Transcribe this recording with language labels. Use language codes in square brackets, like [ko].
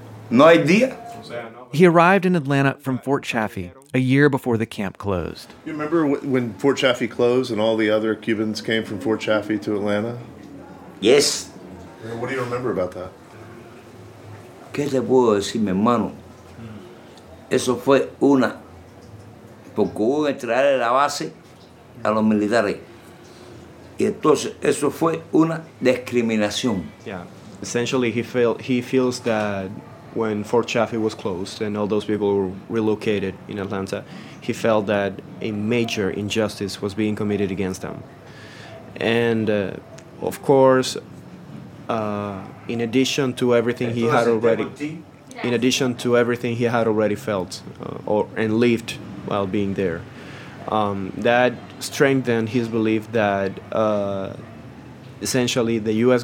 [en] No idea. He arrived in Atlanta from Fort Chaffee a year before the camp closed. You remember when Fort Chaffee closed and all the other Cubans came from Fort Chaffee to Atlanta? Yes. What do you remember about that? [es] ¿Qué te puedo decir, mi hermano? Eso fue una. Porque hubo que entregarle la base a los militares. Y entonces, eso fue una discriminación. [en] Yeah. Essentially, he feels that when Fort Chaffee was closed and all those people were relocated in Atlanta, he felt that a major injustice was being committed against them. And Of course, in addition to everything he had already, in addition to everything he had already felt and lived while being there, that strengthened his belief that essentially the U.S.